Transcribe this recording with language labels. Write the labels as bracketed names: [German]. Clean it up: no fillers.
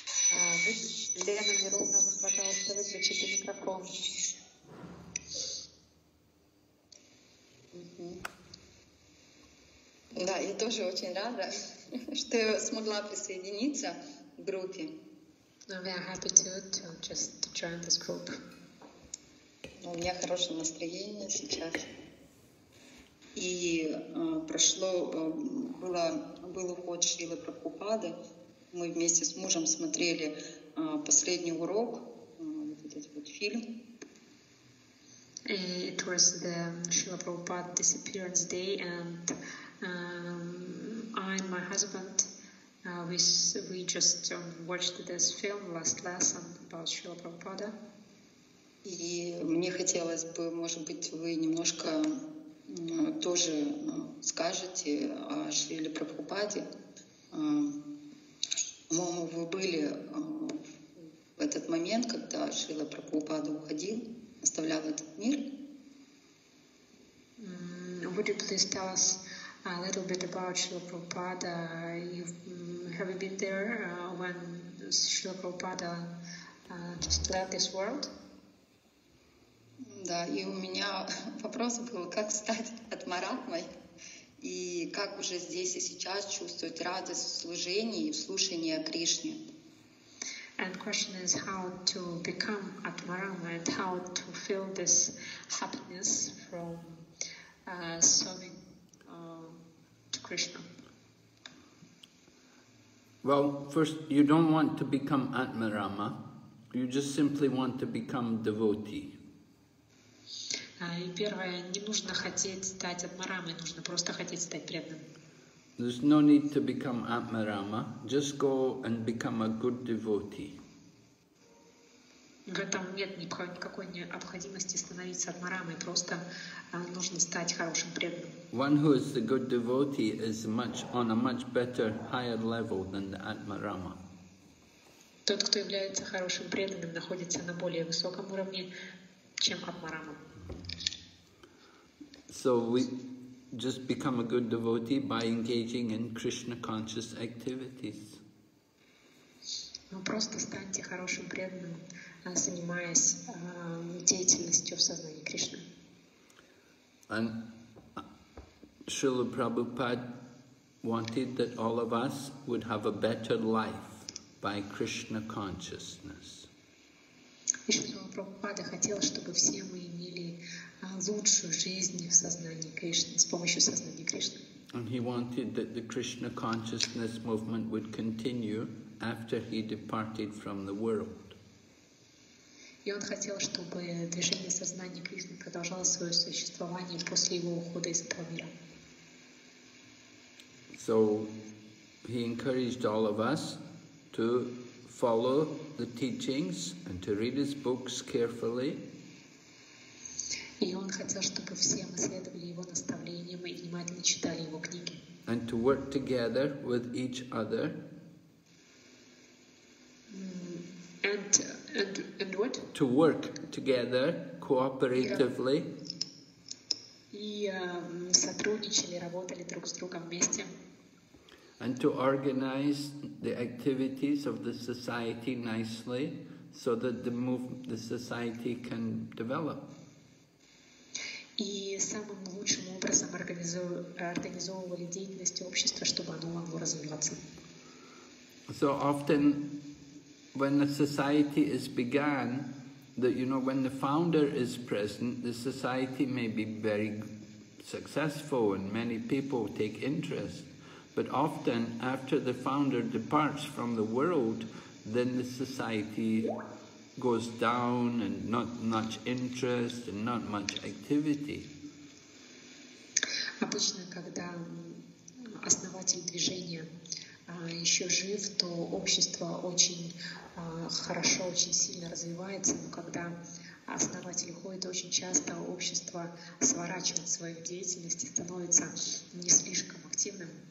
[Russian] Лена Мировна, пожалуйста, выключите микрофон. Да, я тоже очень рада, что я смогла присоединиться к группе. [English] We are happy to just join this group. [Russian] У меня хорошее настроение сейчас. И был уход Шрилы Прабхупады. Мы вместе с мужем смотрели последний урок, вот этот вот фильм. [English] It was the Srila Prabhupada disappearance day, and I and my husband, we just watched this film, last lesson about Srila Prabhupada. [Russian] И мне хотелось бы, может быть, вы немножко тоже скажете о Шриле Прабхупаде. По-моему, вы были в этот момент, когда Шрила Прабхупада уходил, оставлял этот мир. [English] Would you please tell us a little bit about Srila Prabhupada? Have you been there when Srila Prabhupada just left this world? [Russian] Да, и у меня вопрос был, как стать атмаратмой? И как уже здесь и сейчас чувствовать радость в служении и в слушании о Кришне? [English] And question is how to become Atmarama and how to feel this happiness from serving to Krishna. Well, first, you don't want to become Atmarama. You just simply want to become devotee. [Russian] И первое, не нужно хотеть стать Атмарамой, нужно просто хотеть стать преданным. [English] There's no need to become Atmarama. Just go and become a good devotee. [Russian] В этом нет никакой необходимости становиться Атмарамой, просто нужно стать хорошим преданным. [English] One who is a good devotee is much on a much better, higher level than the Atmarama. [Russian] Тот, кто является хорошим преданным, находится на более высоком уровне, чем Атмарама. [English] So we just become a good devotee by engaging in Krishna conscious activities. [Russian] Ну просто станьте хорошим преданным, занимаясь деятельностью в сознании Кришны. [English] And Srila Prabhupada wanted that all of us would have a better life by Krishna consciousness. [Russian] И Шрила Прабхупада хотел, чтобы все мы имели лучшую жизнь в сознании Кришны, с помощью сознания Кришны. [English] And he wanted that the Krishna consciousness movement would continue after he departed from the world. [Russian] И он хотел, чтобы движение сознания Кришны продолжало свое существование после его ухода из этого мира. [English] So he encouraged all of us to follow the teachings and to read his books carefully. [Russian] И он хотел, чтобы все мы следовали его наставлениям и внимательно читали его книги. [English] And to work together with each other. And what? To work together cooperatively. [Russian] И сотрудничали, работали друг с другом вместе. [English] And to organize the activities of the society nicely, so that the society can develop. [Russian] И самым лучшим образом организовывали деятельность общества, чтобы оно могло развиваться. [English] So often, when a society is begun, that, you know, when the founder is present, the society may be very successful and many people take interest. But often, after the founder departs from the world, then the society goes down and not much interest and not much activity. [Russian] Обычно, когда основатель движения еще жив, то общество очень хорошо, очень сильно развивается, но когда основатель уходит, очень часто общество сворачивает свою деятельность и становится не слишком активным.